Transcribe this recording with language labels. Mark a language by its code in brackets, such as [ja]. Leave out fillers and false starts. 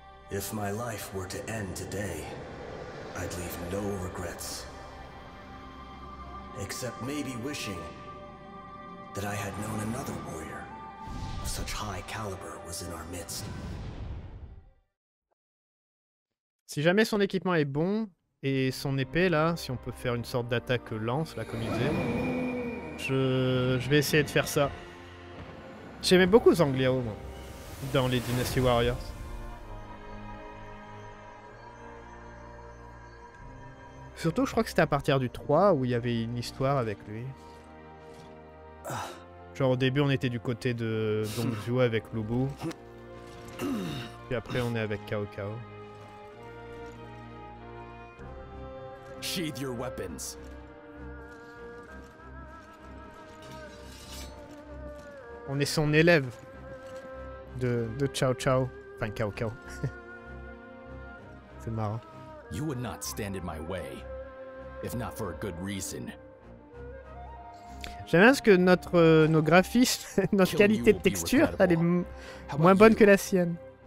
[en] If my life were to end today, I'd leave no regrets. Except maybe wishing that I had known another warrior of such high caliber was in our midst. [fr] Si jamais son équipement est bon et son épée là, si on peut faire une sorte d'attaque lance là comme il disait, je vais essayer de faire ça. J'aimais beaucoup Zhang Liao, moi, dans les Dynasty Warriors. Surtout, je crois que c'était à partir du 3 où il y avait une histoire avec lui. Genre, au début, on était du côté de Dong Zhuo avec Lu Bu. Puis après, on est avec Cao Cao. [en] Sheathe your weapons. [fr] On est son élève de Chao Chao. Enfin, Cao Cao. C'est marrant. [en] You would not stand in my way, if not for a good reason. [fr] J'aime bien ce que notre, nos graphismes, notre qualité de texture, elle est moins bonne que la sienne.